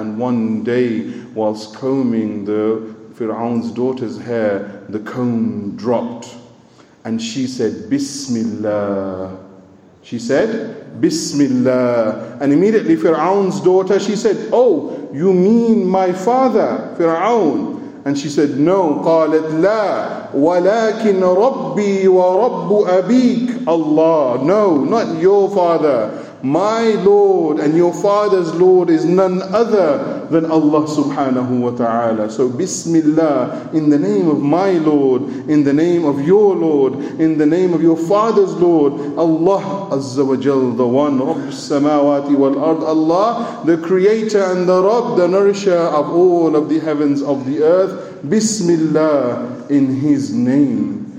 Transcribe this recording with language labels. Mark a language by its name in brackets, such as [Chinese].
[English] And one day, whilst combing the Fir'aun's daughter's hair, the comb dropped. And she said, Bismillah. She said, Bismillah. And immediately Fir'aun's daughter, she said, oh, you mean my father, Fir'aun? And she said, no. [Arabic] قَالَتْ لَا وَلَكِنْ رَبِّي وَرَبُّ أَبِيكَ Allah. [English] No, not your father. My Lord and your father's Lord is none other than Allah subhanahu wa ta'ala. So Bismillah, in the name of my Lord, in the name of your Lord, in the name of your father's Lord, Allah Azza wa Jal, the one, Rabb Samawati wal Ard, Allah, the creator and the Rabb, the nourisher of all of the heavens of the earth, Bismillah, in his name.